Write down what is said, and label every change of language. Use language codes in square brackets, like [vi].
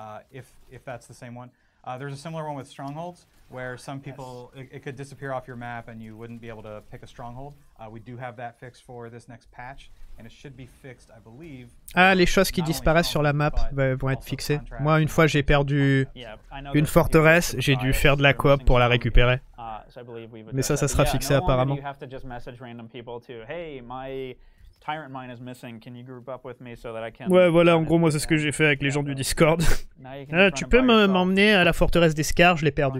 [en] If that's the same one. There's a similar one with strongholds, where some people, yes, it could disappear off your map and you wouldn't be able to pick a stronghold. We do have that fixed for this next patch, and it should be fixed, I believe. [fr] Ah, les choses qui disparaissent sur la map vont être fixées. Moi, une fois, j'ai perdu une forteresse, j'ai dû faire de la coop pour la récupérer. Mais ça sera fixé apparemment. [en] You have to just message random people to, hey, my tyrant mine is missing, can you group up with me so that I can... [fr] Ouais, voilà, en gros, moi, c'est ce que j'ai fait avec les gens du Discord. Tu peux m'emmener à la forteresse des Scars, je l'ai perdu.